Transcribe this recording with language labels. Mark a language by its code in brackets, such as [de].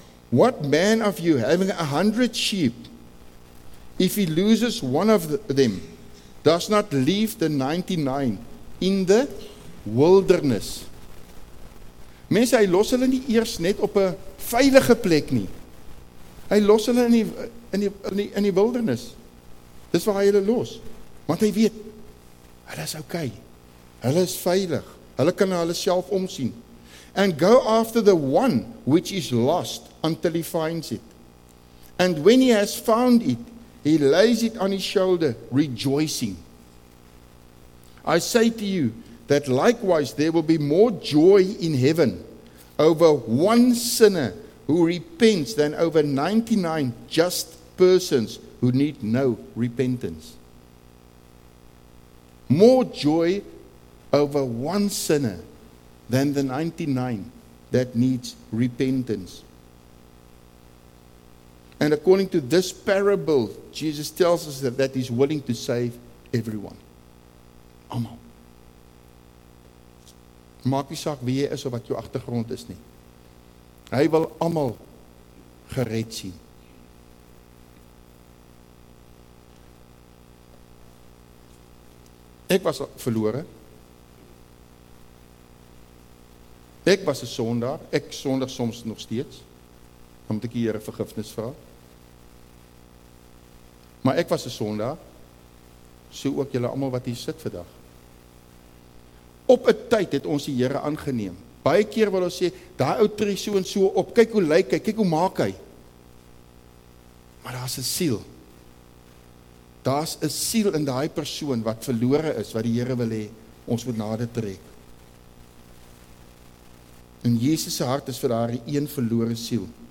[en] What man of you having 100 sheep, if he loses one of them, does not leave the 99 in the wilderness? [af] Mense, hy los hulle nie eers net op 'n veilige plek nie. Hy los hulle in die wildernis. Dis waar hy hulle los. Want hy weet, hulle is okay. Hulle is veilig. Hulle kan na hulle self omsien. [en] And go after the one which is lost until he finds it. And when he has found it, he lays it on his shoulder, rejoicing. I say to you, that likewise there will be more joy in heaven over one sinner who repents than over 99 just persons who need no repentance. More joy over one sinner than the 99 that needs repentance. And according to this parable, Jesus tells us that he's willing to save everyone. Amen. [af] Maak nie saak wie jy is of wat jou agtergrond is nie. Hy wil almal gered sien. Ek was verlore. Ek was 'n sondaar. Ek sondig soms nog steeds. Dan moet ek die Here vergifnis vra. Maar ek was 'n sondaar. So ook julle almal wat hier sit vandag. Op 'n tyd het ons die Here aangeneem. Baie keer wil ons sê, daai ou tree so en so op, kyk hoe lyk hy, kyk hoe maak hy. Maar daar's 'n siel. Daar's 'n siel in daai persoon wat verlore is, wat die Here wil hê ons moet nader trek. En Jesus se hart is vir daai een verlore siel.